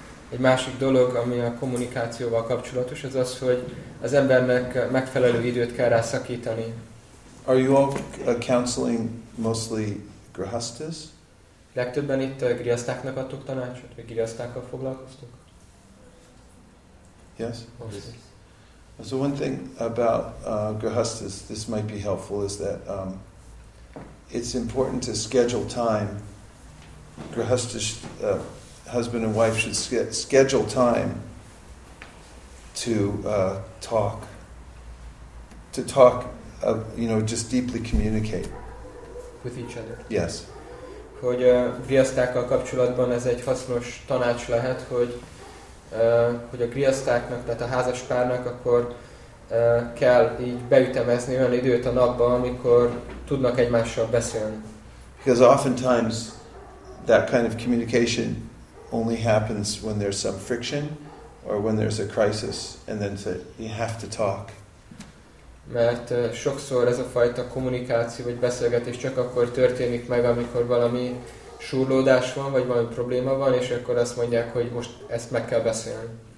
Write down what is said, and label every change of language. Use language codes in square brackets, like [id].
[hu] Egy másik dolog, ami a kommunikációval kapcsolatos, az az, hogy az embernek megfelelő időt kell rá szakítani. [en] Are you all counseling mostly grihasthas? [hu] Legtöbben itt grihasztáknak adtok tanácsot, vagy grihasztákkal foglalkoztok? [en] Yes. So one thing about grihasthas, this might be helpful, is that it's important to schedule time. Grihasthas, husband and wife should schedule time to talk. To talk, you know, just deeply communicate. With each other. Yes. [hu] Hogy a grihasztákkal kapcsolatban ez egy hasznos tanács lehet, hogy a grihasztáknak, tehát a házaspárnak akkor kell így beütemezni olyan időt a napba, amikor tudnak egymással beszélni. [en] Because oftentimes that kind of communication only happens when there's some friction or when there's a crisis, and then you have to talk. [hu] Mert sokszor ez a fajta kommunikáció vagy beszélgetés csak akkor történik meg, amikor valami súrlódás van, vagy valami probléma van, és akkor azt mondják, hogy most ezt meg kell beszélni.